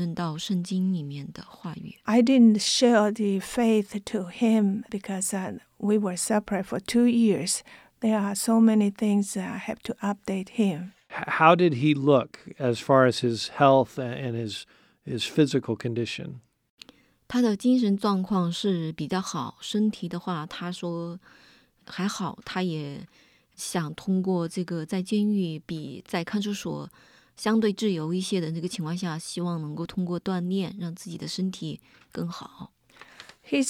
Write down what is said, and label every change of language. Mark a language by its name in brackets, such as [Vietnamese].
[Chinese] 我们还没有来得及分享这个神的话语，因为最初我们见的时候时间非常短，半个小时，我们所隔了两年多所要说的事情非常多，又彼此想了解对方的一个状况，所以还没有谈论到圣经里面的话语。 [English] I didn't share the faith to him because we were separate for 2 years. There are so many things that I have to update him. How did he look as far as his health and his physical condition? [Chinese] 他的精神状况是比较好，身体的话，他说还好，他也想通过这个在监狱比在看守所相对自由一些的那个情况下，希望能够通过锻炼让自己的身体更好。 [English] His